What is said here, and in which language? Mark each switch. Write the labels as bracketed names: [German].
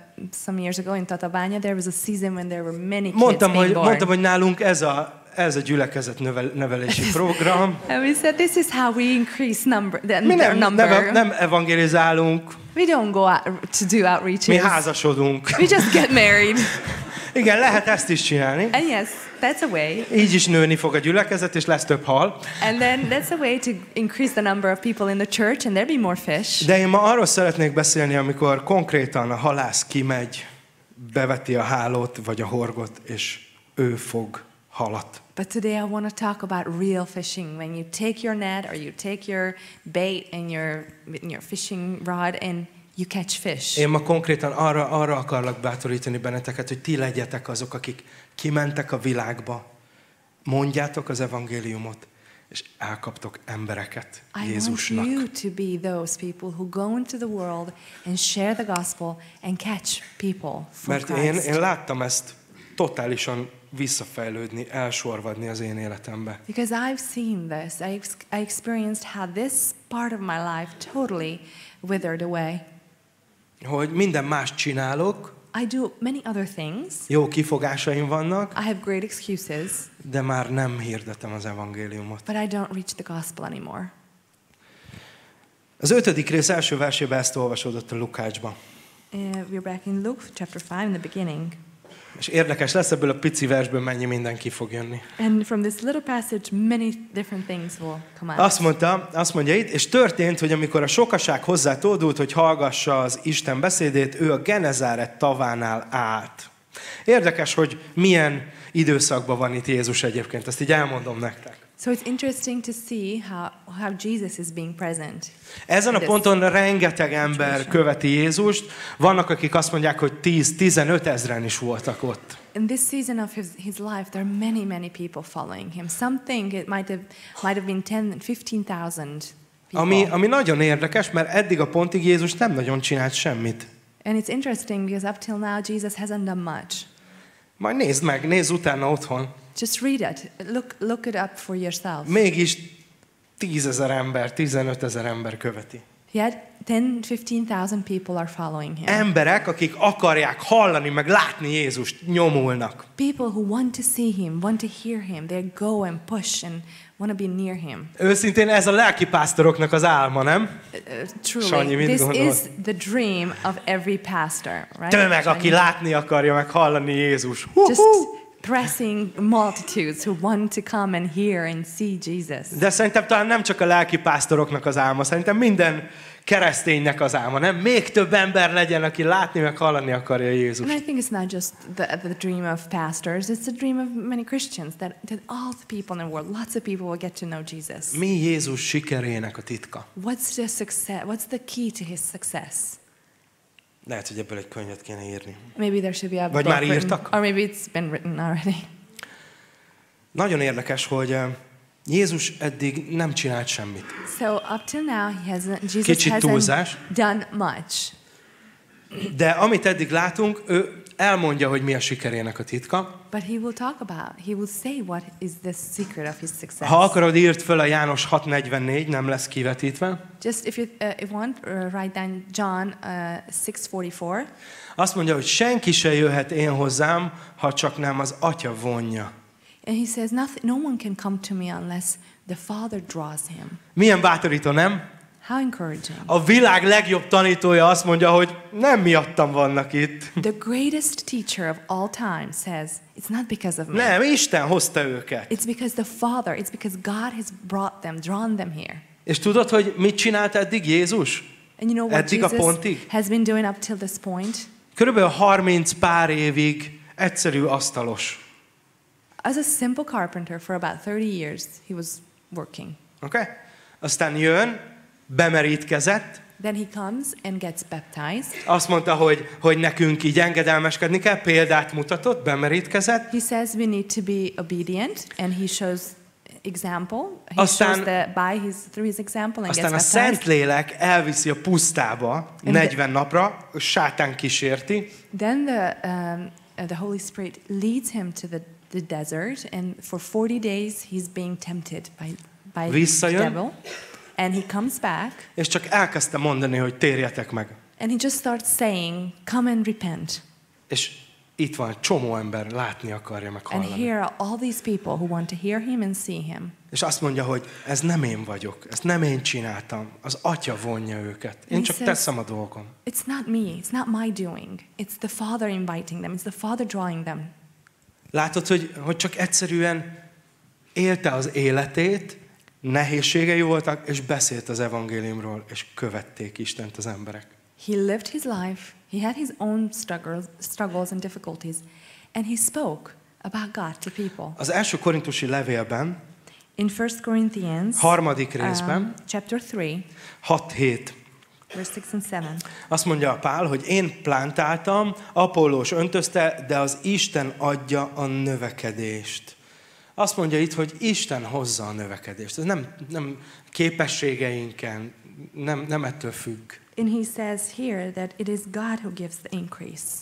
[English] Some years ago in Tatabánya there was a season when there were many kids [Hungarian] mondtam, [English] being [Hungarian] hogy, [English] born. [Hungarian] Mondtam, hogy nálunk ez a gyülekezet nevelési program. [English] And we said this is how we increase number. [Hungarian] Nem evangelizálunk. [English] We don't go out to do outreaches. [Hungarian] Mi házasodunk. [English] We just get married. [Hungarian] Igen, lehet ezt is csinálni. [English] And yes, that's a way. [Hungarian] Így is nőni fog a gyülekezet, és lesz több hal. [English] And then that's a way to increase the number of people in the church, and there'll be more fish. [Hungarian] De én ma arról szeretnék beszélni, amikor konkrétan a halász kimegy, beveti a hálót, vagy a horgot, és ő fog halat. [English] But today I want to talk about real fishing. When you take your net, or you take your bait, and your fishing rod, and you catch fish. [Hungarian] Én ma konkrétan arra akarlak bátorítani benneteket, hogy ti legyetek azok, akik kimentek a világba, mondjátok az evangéliumot, és elkaptok embereket Jézusnak. [English] I want you to be those people who go into the world and share the gospel and catch people for Christ. [Hungarian] Mert én láttam ezt totálisan visszafejlődni, elsorvadni az én életembe. [English] Because I've seen this. I experienced how this part of my life totally withered away. [Hungarian] Hogy minden más csinálok. [English] I do many other things. [Hungarian] Jó kifogásaim vannak. [English] I have great excuses. [Hungarian] De már nem hirdetem az evangéliumot. [English] But I don't reach the gospel anymore. [Hungarian] Az ötödik rész első versében ezt olvasódott a Lukácsban. [English] We're back in Luke chapter 5 in the beginning. [Hungarian] És érdekes lesz ebből a pici versből mennyi mindenki fog jönni. [English] And from this little passage many different things will come out. [Hungarian] Azt mondja itt, és történt, hogy amikor a sokaság hozzá tódult, hogy hallgassa az Isten beszédét, ő a Genezáret tavánál állt. Érdekes, hogy milyen időszakban van itt Jézus egyébként. Ezt így elmondom nektek. [English] So it's interesting to see how Jesus is being present. [Hungarian] Ezen a ponton rengeteg ember követi Jézust. Vannak, akik azt mondják, hogy 10-15 ezren is voltak ott. [English] In this season of his life there are many many people following him. Something it might have been 10-15,000 people. [Hungarian] Ami nagyon érdekes, mert eddig a pontig Jézus nem nagyon csinált semmit. [English] And it's interesting because up till now Jesus hasn't done much. [Hungarian] Majd nézd meg, nézd utána otthon. [English] Just read it. Look it up for yourself. [Hungarian] Mégis 10,000 ember, 15,000 ember követi. [English] Yet 10-15,000 people are following him. [Hungarian] Emberek, akik akarják hallani meg látni Jézust, nyomulnak. [English] People who want to see him, want to hear him, they go and push and want to be near him. [Hungarian] Őszintén ez a lelki pásztoroknak az álma, nem? [English] Truly, [Hungarian] Sanyi, mit gondolod? [English] This is the dream of every pastor, right? [Hungarian] Tömeg, aki látni akarja meg hallani Jézus. [English] Pressing multitudes who want to come and hear and see Jesus. [Hungarian] De szerintem talán nem csak a lelki pásztoroknak az álma, szerintem minden kereszténynek az álma, nem? Még több ember legyen, aki látni meg hallani akarja Jézust. [English] And I think it's not just the dream of pastors, it's the dream of many Christians, that all the people in the world, lots of people will get to know Jesus. [Hungarian] Mi Jézus sikerének a titka? [English] What's the key to his success? [Hungarian] Lehet, hogy ebből egy könyvet kéne írni. [English] Maybe there should be a book. [Hungarian] Vagy már írtak? [English] Or maybe it's been written already. [Hungarian] Nagyon érdekes, hogy Jézus eddig nem csinált semmit. [English] So up till now, Jesus hasn't done much. [Hungarian] De amit eddig látunk, ő elmondja, hogy mi a sikerének a titka. [English] But he will talk about, he will say what is the secret of his success. [Hungarian] Ha akarod, írd föl a János 6:44, nem lesz kivetítve. [English] Just if you want, write down John 6:44. [Hungarian] Azt mondja, hogy senki se jöhet én hozzám, ha csak nem az Atya vonja. [English] And he says, no one can come to me unless the Father draws him. [Hungarian] Milyen bátorító, nem? [English] How encouraging. [Hungarian] A világ legjobb tanítója azt mondja, hogy nem miattam vannak itt. [English] The greatest teacher of all time says, it's not because of me. [Hungarian] Nem, Isten hozta őket. [English] It's because the Father, it's because God has brought them, drawn them here. [Hungarian] És tudod, hogy mit csinált eddig Jézus? [English] And you know what [Hungarian] eddig [English] Jesus has been doing up till this point? [Hungarian] Körülbelül 30 pár évig egyszerű asztalos. [English] As a simple carpenter for about 30 years he was working. Okay. [Hungarian] Aztán jön, bemerítkezett. [English] Then he comes and gets baptized. [Hungarian] Azt mondta, hogy nekünk így engedelmeskedni kell, példát mutatott, bemerítkezett. [English] He says we need to be obedient and he shows example. He [Hungarian] aztán, [English] shows that by his through his example and [Hungarian] aztán [English] gets baptized. [Hungarian] Aztán a Szentlélek elviszi a pusztába 40 napra, Sátán kísérti. [English] Then the Holy Spirit leads him to the desert and for 40 days he's being tempted by [Hungarian] visszajön, [English] the devil and he comes back [Hungarian] és csak elkezdte mondani, hogy térjetek meg. [English] And he just starts saying come and repent. [Hungarian] És itt van csomó ember, látni akarja meg hallani. [English] And here are all these people who want to hear him and see him. [Hungarian] És azt mondja, hogy ez nem én vagyok, ez nem én csináltam, az Atya vonja őket. Én csak teszem a dolgom. [English] It's not me, it's not my doing. It's the Father inviting them, it's the Father drawing them. [Hungarian] Látod, hogy csak egyszerűen élte az életét, nehézségei voltak, és beszélt az evangéliumról, és követték Istent az emberek. [English] He lived his life, he had his own struggles and difficulties, and he spoke about God to people. [Hungarian] Az első korintusi levélben, [English] in 1 Corinthians, [Hungarian] harmadik részben, [English] chapter 3, 6-7, verse 6 and 7. [Hungarian] Azt mondja a Pál, hogy én plantáltam, Apollós öntözte, de az Isten adja a növekedést. Azt mondja itt, hogy Isten hozza a növekedést. Ez nem képességeinken, nem ettől függ. [English] And he says here that it is God who gives the increase.